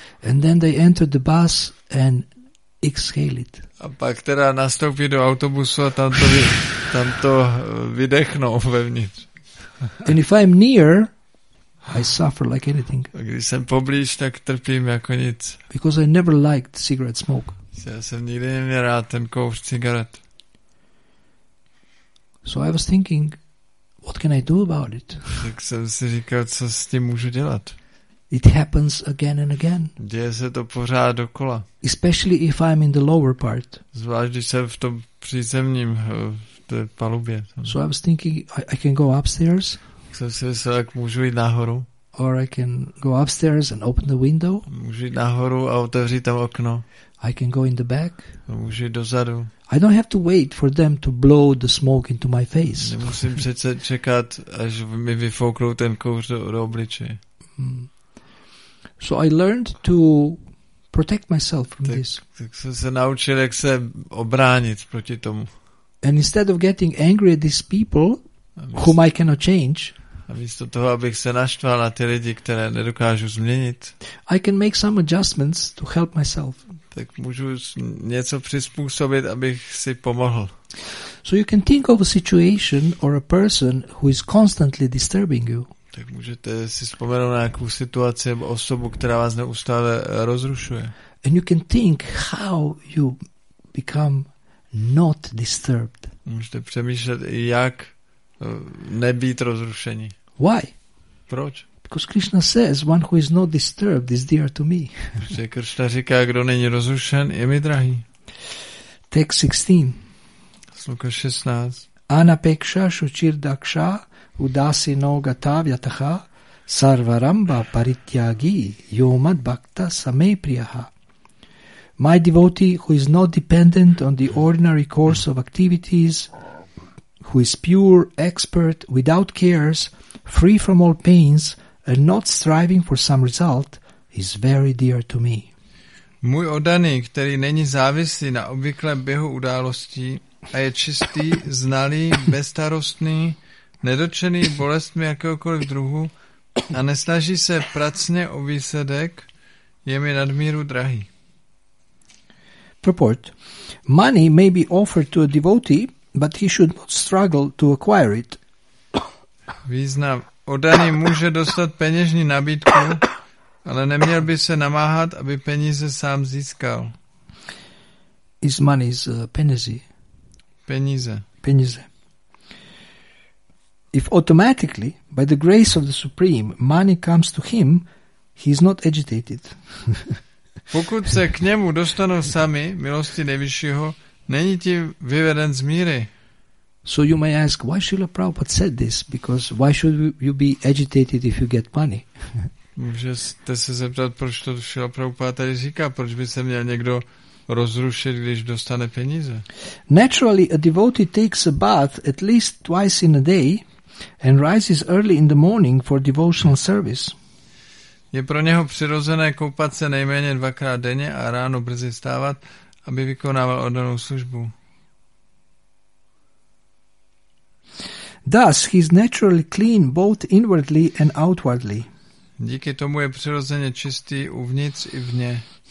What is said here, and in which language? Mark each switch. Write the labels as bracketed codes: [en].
[en] And then they enter the bus and exhale it. [cs] A pak teda nastoupí do autobusu a tam to vydechnou vevnitř. [en] And if I'm near, I suffer like anything. [cs] A když jsem poblíž, tak trpím jako nic. [en] Because I never liked cigarette smoke. [cs] Já jsem nikdy neměl rád ten kouř cigaret. [en] So I was thinking, what can I do about it? [cs] Tak jsem si říkal, co s tím můžu dělat. [en] It happens again and again. [cs] Děje se to pořád dokola. [en] Especially if I'm in the lower part. [cs] Zvlášť, když jsem v tom přízemním, v té palubě. [en] So I was thinking, I can go upstairs. [cs] Jsem si myslel, jak můžu jít nahoru. [en] Or I can go upstairs and open the window. [cs] Můžu jít nahoru a otevřít tam okno. [en] I can go in the back. [cs] Můžu jít dozadu. [en] I don't have to wait for them to blow the smoke into my face. [cs] Nemusím přece čekat, až mi vyfouknou ten kouř do obličeje. [en] So I learned to protect myself from this. [cs] Tak jsem se naučil, jak se obránit proti tomu. [en] And instead of getting angry at these people, whom I cannot change, [cs] a místo toho, abych se naštval na ty lidi, které nedokážu změnit, [en] I can make some adjustments to help myself. [cs] Tak můžu něco přizpůsobit, abych si pomohl. [en] So you can think of a situation or a person who is constantly disturbing you. [cs] Tak můžete si vzpomenout na nějakou situaci nebo osobu, která vás neustále rozrušuje. [en] And you can think how you become not disturbed. [cs] Můžete přemýšlet, jak nebýt rozrušení. [en] Why? [cs] Proč? [en] Because Krishna says, one who is not disturbed is dear to me. [cs] Že Krishna říká, kdo není rozrušen, je mi drahý. [en] Text 16. [cs] Sloka 16. [sa] Anapeksha Shuchirdaksha Udasi Noga Tavyataha Sarvaramba Parityagi Yomad Bhakta Samepriyaha. [en] My devotee who is not dependent on the ordinary course of activities, who is pure, expert, without cares, free from all pains, and not striving for some result, is very dear to me. [cs] Můj oddaný, který není závislý na obvyklém běhu událostí a je čistý, znalý, bezstarostný, nedotčený bolestmi jakéhokoliv druhu a nesnaží se pracně o výsledek, je mi nadmíru drahý. [en] Purport. Money may be offered to a devotee, but he should not struggle to acquire it. [cs] Význam. Oddaný může dostat peněžní nabídku, ale neměl by se namáhat, aby peníze sám získal. [en] Is money is peníze. [cs] Peníze. Peníze. [en] If automatically, by the grace of the Supreme, money comes to him, he is not agitated. [cs] Pokud se k němu dostanou sami, milosti nejvyššího, není tím vyveden z míry. [en] So you may ask, why Srila Prabhupada said this? Because why should you be agitated if you get money? [cs] Můžete se zeptat, proč to Srila Prabhupada tady říká, proč by se měl někdo rozrušit, když dostane peníze? [en] Naturally, a devotee takes a bath at least twice in a day and rises early in the morning for devotional service. [cs] Je pro něho přirozené koupat se nejméně dvakrát denně a ráno brzy vstávat, aby vykonával oddanou službu. [en] Thus, he is naturally clean both inwardly and outwardly. [cs] Díky tomu je přirozeně čistý uvnitř i vně.